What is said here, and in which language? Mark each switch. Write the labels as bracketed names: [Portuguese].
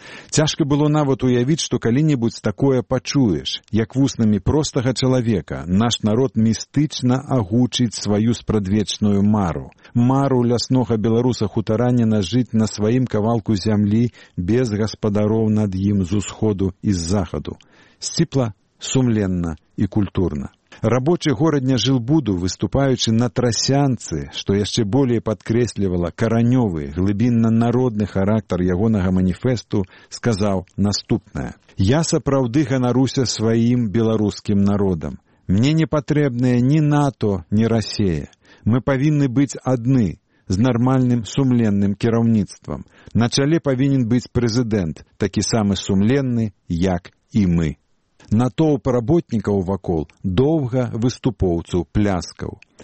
[Belarusian] Цяжка было нават уявіць, што калі-небудзь такое пачуеш, як вуснамі простага чалавека наш народ містычна агучыць сваю спрадвечную мару. Мару ляснога беларуса хутаранина жыць на сваім кавалку зямлі без гаспадароў над ім з усходу і з захаду. Сціпла, сумленна і культурна. Рабочий городня жилбуду, выступаючи на трасянцы, что еще более подкресливало коранёвый, глибинно-народный характер ягонага маніфесту, сказал наступное. «Я сапраўды ганаруся [Russian] своим белорусским народом. Мне не патрэбныя ни НАТО, ни Россия. Мы повинны быть одны, с нормальным сумленным кіраўніцтвам. На чале повинен быть президент, такі самы сумленный, як и мы». [Belarusian] Натоўп работнікаў вакол доўга выступоўцу пляскаў.